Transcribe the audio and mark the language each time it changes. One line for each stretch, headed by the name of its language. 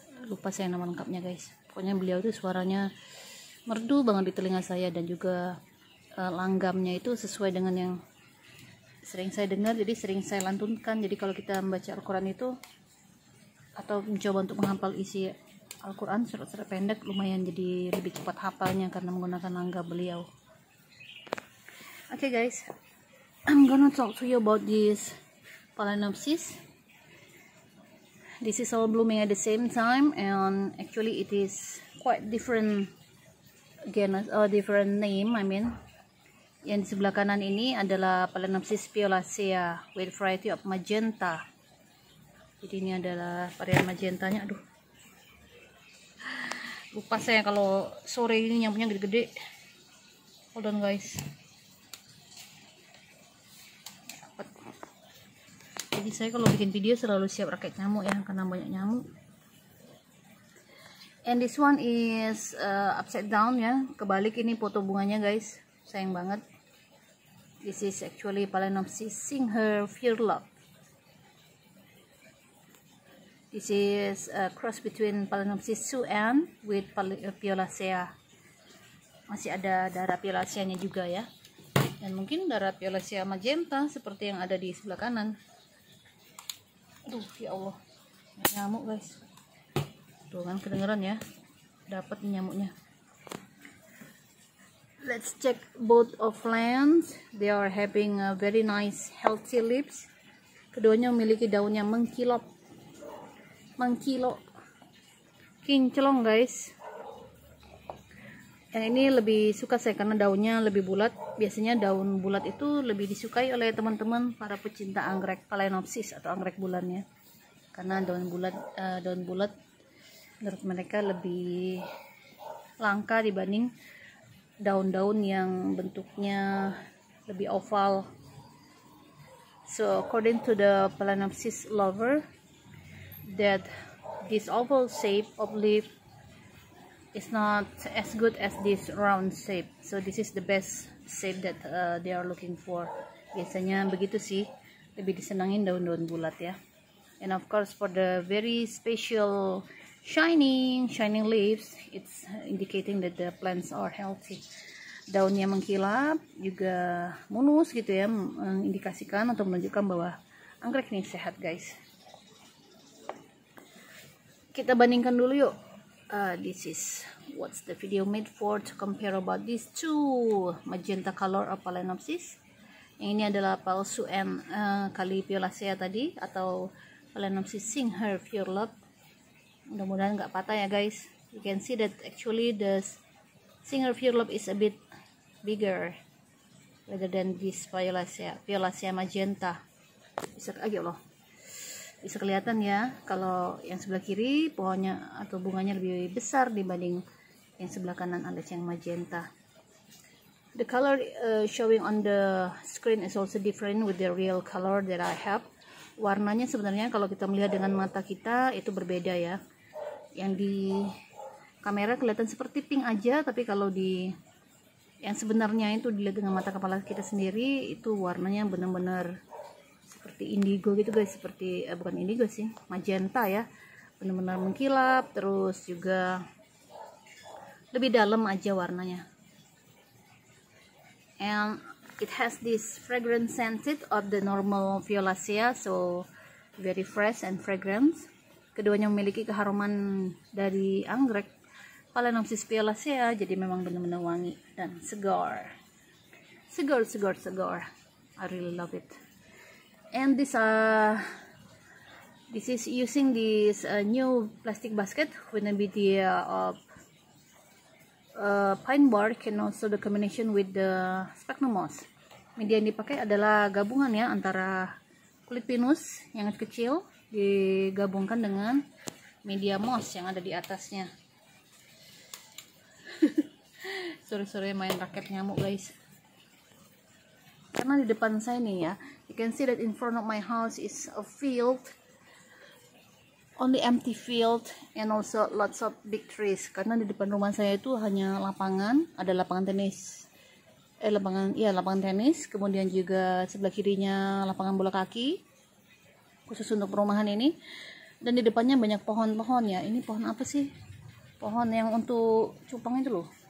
Indonesian: lupa saya nama lengkapnya guys, pokoknya beliau itu suaranya merdu banget di telinga saya dan juga langgamnya itu sesuai dengan yang sering saya dengar, jadi sering saya lantunkan. Jadi kalau kita membaca Al-Quran itu atau mencoba untuk menghafal isi Al-Quran surat-surat pendek, lumayan jadi lebih cepat hafalnya karena menggunakan langgam beliau.
English: Okay guys, I'm gonna talk to you about this Phalaenopsis. This is all blooming at the same time and actually it is quite different genus or different name. I mean,
Indonesian: yang di sebelah kanan ini adalah Phalaenopsis violacea
English: with variety of magenta.
Indonesian: Jadi ini adalah varian magentanya. Aduh, lupa saya kalau sore ini nyampunya gede-gede.
English: Hold on guys.
Indonesian: Jadi saya kalau bikin video selalu siap raket nyamuk ya, karena banyak nyamuk.
English: And this one is upside down
Indonesian: ya, kebalik ini foto bunganya guys. Sayang banget.
English: This is actually Phalaenopsis sing her fear love. This is a cross between Phalaenopsis suan with violacea.
Indonesian: Masih ada darah violaceanya juga ya. Dan mungkin darah violacea magenta seperti yang ada di sebelah kanan. Aduh, ya Allah. Nyamuk, guys. Tuh kan kedengeran ya. Dapat nyamuknya.
English: Let's check both of plants. They are having a very nice healthy leaves.
Indonesian: Keduanya memiliki daunnya mengkilap. Mengkilo kinclong guys. Yang ini lebih suka saya karena daunnya lebih bulat. Biasanya daun bulat itu lebih disukai oleh teman-teman para pecinta anggrek Phalaenopsis atau anggrek bulannya, karena daun bulat menurut mereka lebih langka dibanding daun-daun yang bentuknya lebih oval.
English: So according to the Phalaenopsis lover, that this oval shape of leaf is not as good as this round shape. So this is the best shape that they are looking for.
Indonesian: Biasanya begitu sih, lebih disenangin daun-daun bulat ya.
English: And of course for the very special shining leaves, it's indicating that the plants are healthy.
Indonesian: Daunnya mengkilap, juga mulus gitu ya, mengindikasikan atau menunjukkan bahwa anggrek ini sehat guys. Kita bandingkan dulu yuk.
English: This is what's the video made for, to compare about these two magenta color of Phalaenopsis.
Indonesian: Yang ini adalah palsu and kali violacea tadi atau Phalaenopsis sing her fear love. Mudah-mudahan nggak patah ya guys.
English: You can see that actually the sing her fear love is a bit bigger rather than this violacea magenta.
Indonesian: Bisa aja loh. Bisa kelihatan ya, kalau yang sebelah kiri pohonnya atau bunganya lebih besar dibanding yang sebelah kanan alias yang magenta.
English: The color showing on the screen is also different with the real color that I have.
Indonesian: Warnanya sebenarnya kalau kita melihat dengan mata kita itu berbeda ya. Yang di kamera kelihatan seperti pink aja, tapi kalau di yang sebenarnya itu dilihat dengan mata kepala kita sendiri itu warnanya benar-benar seperti indigo gitu guys, seperti bukan indigo sih, magenta ya, benar-benar mengkilap, terus juga lebih dalam aja warnanya.
English: And it has this fragrant scented of the normal violacea, so very fresh and fragrant.
Indonesian: Keduanya memiliki keharuman dari anggrek Phalaenopsis violacea, jadi memang benar-benar wangi dan segar.
English: I really love it. And these are This is using this new plastic basket with the media of pine bark and also the combination with the sphagnum moss.
Indonesian: Media yang dipakai adalah gabungan ya antara kulit pinus yang kecil digabungkan dengan media moss yang ada di atasnya. Sore-sore main raket nyamuk guys. Karena di depan saya nih ya,
English: you can see that in front of my house is a field, only empty field and also lots of big trees.
Indonesian: Karena di depan rumah saya itu hanya lapangan, ada lapangan tenis, lapangan tenis, kemudian juga sebelah kirinya lapangan bola kaki khusus untuk perumahan ini, dan di depannya banyak pohon-pohon ya. Ini pohon apa sih? Pohon yang untuk cupang itu loh.